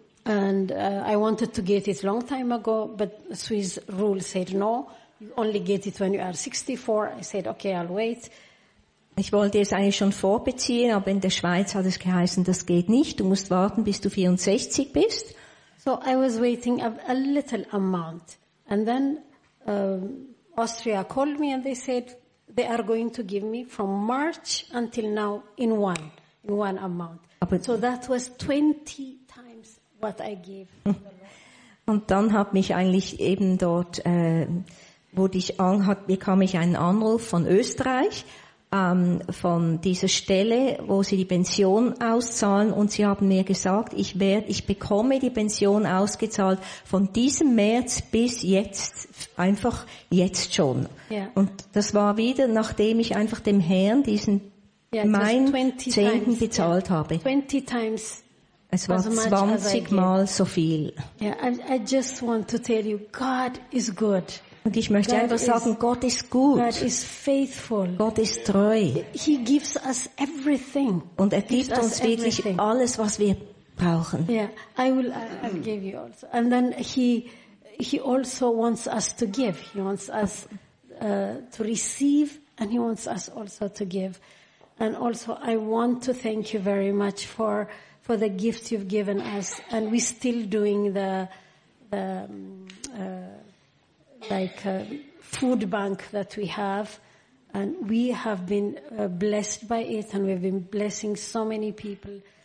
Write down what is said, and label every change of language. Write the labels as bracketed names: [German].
[English] And I wanted to get it long time ago, but Swiss rule said no. You only get it when you are 64. I said, okay, I'll wait. [German] Ich wollte es eigentlich schon vorbeziehen, aber in der Schweiz hat es geheißen, das geht nicht. Du musst warten, bis du 64 bist. [English] So I was waiting a little amount. And then Austria called me and they said they are going to give me from March until now in one amount. [German] Aber [English] so that was 20 times what I gave. [German] Und dann hat mich eigentlich eben dort, bekam ich einen Anruf von Österreich, von dieser Stelle, wo sie die Pension auszahlen, und sie haben mir gesagt, ich bekomme die Pension ausgezahlt von diesem März bis jetzt, einfach jetzt schon. [English] Yeah. [German] Und das war wieder, nachdem ich einfach dem Herrn diesen meinen Zehnten bezahlt habe. [English] 20 times. [German] Es war 20 Mal so viel. [English] Yeah, I just want to tell you, God is good. [German] Und ich möchte einfach sagen, Gott ist gut. [English] God is faithful. [German] Gott ist treu. [English] He gives us everything. [German] Und er gibt uns wirklich alles, was wir brauchen. [English] Yeah, I'll give you also. And then he also wants us to give. He wants us to receive, and he wants us also to give. And also, I want to thank you very much for the gift you've given us. And we're still doing the food bank that we have, and we have been blessed by it, and we've been blessing so many people.